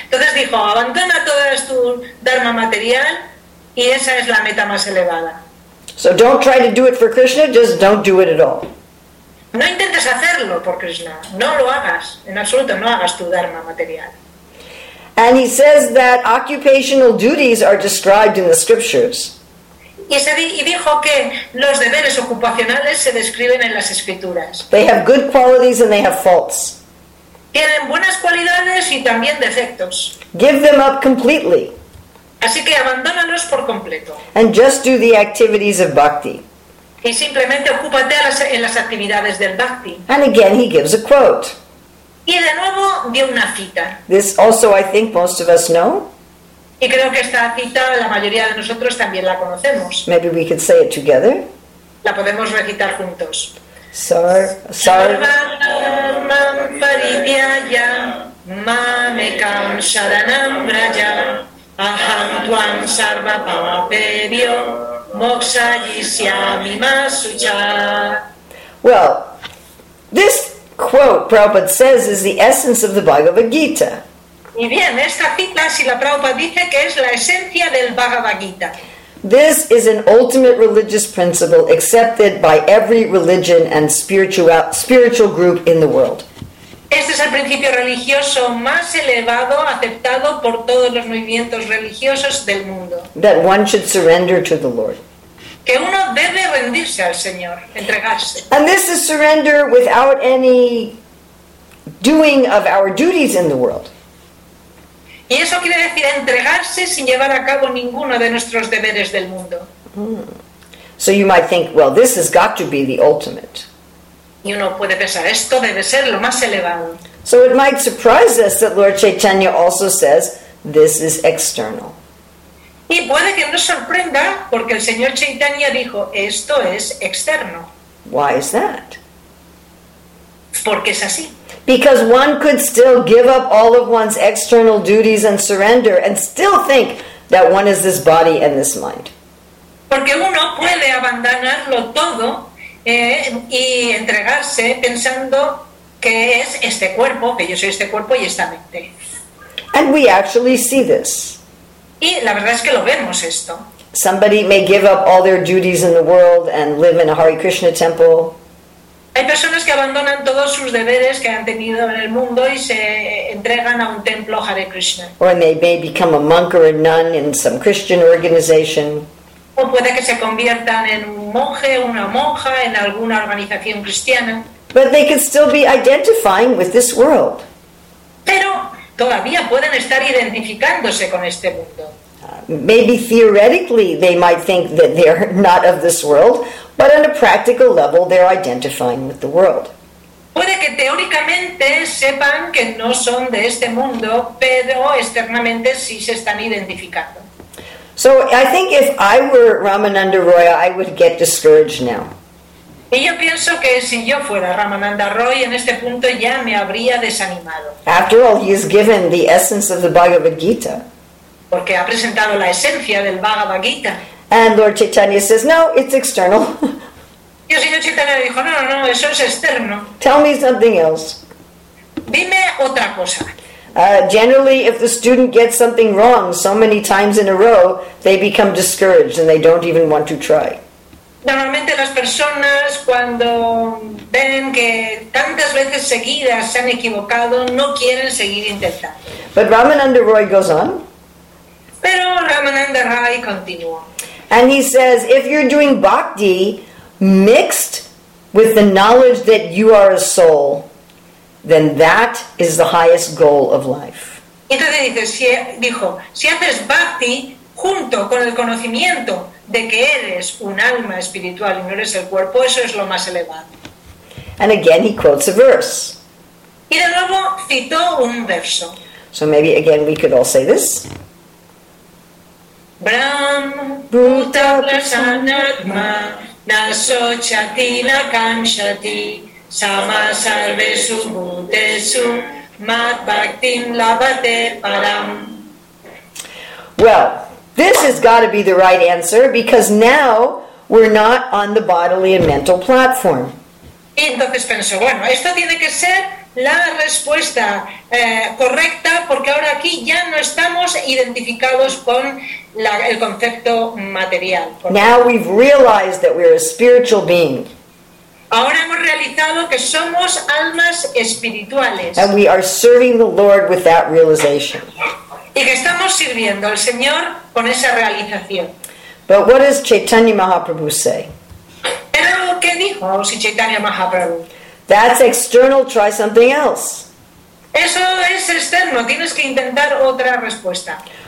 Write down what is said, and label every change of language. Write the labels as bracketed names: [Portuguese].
[Spanish] Entonces dijo, abandona todo tu dharma material y esa es la meta más elevada. [English] So don't try to do it for Krishna, just don't do it at all. [Spanish] No intentes hacerlo por Krishna, no lo hagas, en absoluto no hagas tu dharma material. [English] And he says that occupational duties are described in the scriptures. [Spanish] Y dijo que los deberes ocupacionales se describen en las escrituras. [English] They have good qualities and they have faults. [Spanish] Tienen buenas cualidades y también defectos. [English] Give them up completely. [Spanish] Así que abandónalos por completo. [English] And just do the activities of bhakti. [Spanish] Y simplemente ocúpate en las actividades del bhakti. [English] And again he gives a quote. [Spanish] Y de nuevo dio una cita. [English] This also I think most of us know. [Spanish] Y creo que esta cita la mayoría de nosotros también la conocemos. [English] Maybe we could say it together. [Spanish] La podemos recitar juntos. [Sanskrit] Sarvarma paridhyaya mamekam sharanam braja aham tvam sarva papebhyo moksayishyami masucha. [English] Well, this quote Prabhupada says is the essence of the Bhagavad Gita. [Spanish] Y bien, esta cita, si la Prabhupada dice que es la esencia del Bhagavad Gita. [English] This is an ultimate religious principle accepted by every religion and spiritual group in the world. [Spanish] Este es el principio religioso más elevado aceptado por todos los movimientos religiosos del mundo. [English] That one should surrender to the Lord. [Spanish] Que uno debe rendirse al Señor, entregarse. [English] And this is surrender without any doing of our duties in the world. [Spanish] Y eso quiere decir entregarse sin llevar a cabo ninguno de nuestros deberes del mundo. [English] So you might think, well, this has got to be the ultimate. [Spanish] Y uno puede pensar, esto debe ser lo más elevado. [English] So it might surprise us that Lord Chaitanya also says, this is external. [Spanish] Y puede que nos sorprenda porque el señor Chaitanya dijo, esto es externo. [English] Why is that? [Spanish] Porque es así. [English] Because one could still give up all of one's external duties and surrender and still think that one is this body and this mind. [Spanish] Porque uno puede abandonarlo todo y entregarse pensando que es este cuerpo, que yo soy este cuerpo y esta mente. [English] And we actually see this. [Spanish] Y la verdad es que lo vemos esto. [English] Somebody may give up all their duties in the world and live in a Hare Krishna temple. [Spanish] Hay personas que abandonan todos sus deberes que han tenido en el mundo y se entregan a un templo Hare Krishna. [English] Or they may become a monk or a nun in some Christian organization. [Spanish] O puede que se conviertan en un monje o una monja en alguna organización cristiana. [English] But they can still be identifying with this world. [Spanish] Pero todavía pueden estar identificándose con este mundo. [English] Maybe theoretically they might think that they're not of this world, but on a practical level they're identifying with the world. [Spanish] Puede que teóricamente sepan que no son de este mundo, pero externamente sí se están identificando. [English] So I think if I were Ramananda Roy, I would get discouraged now. [Spanish] Y yo pienso que si yo fuera Ramananda Roy, en este punto ya me habría desanimado. [English] After all, he is given the essence of the Bhagavad Gita. [Spanish] Porque ha presentado la esencia del Bhagavad Gita. [English] And Lord Chaitanya says, no, it's external. [Spanish] Y el señor Chaitanya dijo, no, no, no, eso es externo. [English] Tell me something else. [Spanish] Dime otra cosa. [English] Generally, if the student gets something wrong so many times in a row, they become discouraged and they don't even want to try. [Spanish] Normalmente las personas cuando ven que tantas veces seguidas se han equivocado no quieren seguir intentando. [English] But Ramananda Roy goes on. [Spanish] Pero Ramananda Roy continúa. [English] And he says, if you're doing bhakti mixed with the knowledge that you are a soul, then that is the highest goal of life. [Spanish] Entonces dice, si haces bhakti junto con el conocimiento de que eres un alma espiritual y no eres el cuerpo, eso es lo más elevado. [English] And again he quotes a verse. [Spanish] Y de nuevo citó un verso. [English] So maybe again we could all say this. [Sanskrit] Brahm Bhuta Prasannatma Nasochati Nakamshati Sama Sarvesu Bhutesu Mat Bhaktim Labhate Param. [English] Well, this has got to be the right answer, because now we're not on the bodily and mental platform. [Spanish] Entonces pensó, bueno, esto tiene que ser la respuesta correcta, porque ahora aquí ya no estamos identificados con el concepto material. [English] Now we've realized that we're a spiritual being. [Spanish] Ahora hemos realizado que somos almas espirituales. [English] And we are serving the Lord with that realization. [Spanish] Y que estamos sirviendo al Señor con esa realización. [English] But what does Chaitanya Mahaprabhu say? [Spanish] Pero ¿qué dijo si Chaitanya Mahaprabhu? [English] That's external, try something else. [Spanish] Eso es externo, tienes que intentar otra respuesta.